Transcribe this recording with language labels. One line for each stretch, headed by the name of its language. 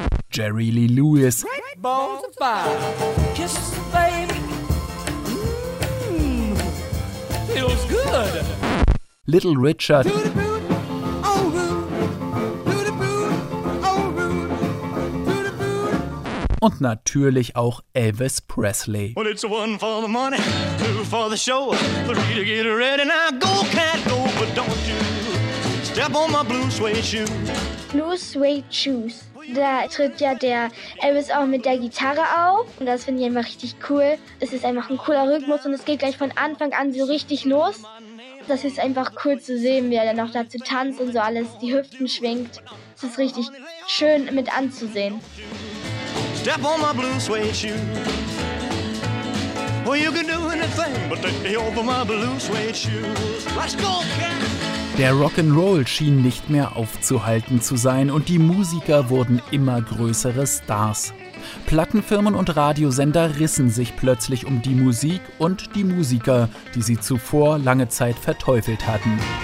English: Jerry Lee Lewis, kiss baby. Feels good.
German: Little Richard, und natürlich auch Elvis Presley.
English: Well, it's one for the money, two for the show, three to get ready now, go cat go, but don't you step on my blue suede shoe. Blue suede shoes.
German: Da tritt ja der Elvis auch mit der Gitarre auf. Und das finde ich einfach richtig cool. Es ist einfach ein cooler Rhythmus und es geht gleich von Anfang an so richtig los. Das ist einfach cool zu sehen, wie er dann auch dazu tanzt und so alles, die Hüften schwingt. Es ist richtig schön mit anzusehen.
English: Step on my blue suede shoe. Well, you can do anything but take me off of my blue suede shoes. Let's go, Ken!
German: Der Rock'n'Roll schien nicht mehr aufzuhalten zu sein und die Musiker wurden immer größere Stars. Plattenfirmen und Radiosender rissen sich plötzlich um die Musik und die Musiker, die sie zuvor lange Zeit verteufelt hatten.